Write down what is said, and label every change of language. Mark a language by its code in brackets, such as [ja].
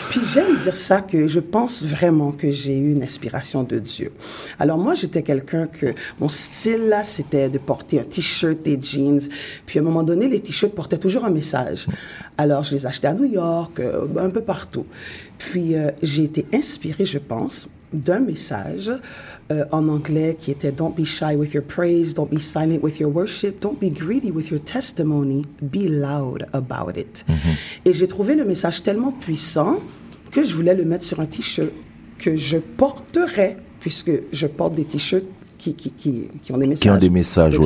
[fr] Puis j'aime dire ça, que je pense vraiment que j'ai eu une inspiration de Dieu. Alors moi, j'étais quelqu'un que... Mon style, là, c'était de porter un t-shirt et jeans. Puis à un moment donné, les t-shirts portaient toujours un message. Alors je les achetais à New York, un peu partout. Puis j'ai été inspirée, je pense, d'un message... en anglais, qui était [en] « Don't be shy with your praise, don't be silent with your worship, don't be greedy with your testimony, be loud about it. [fr] Mm-hmm. » Et j'ai trouvé le message tellement puissant que je voulais le mettre sur un t-shirt que je porterais, puisque je porte des t-shirts qui ont des messages. Qui ont des messages, oui.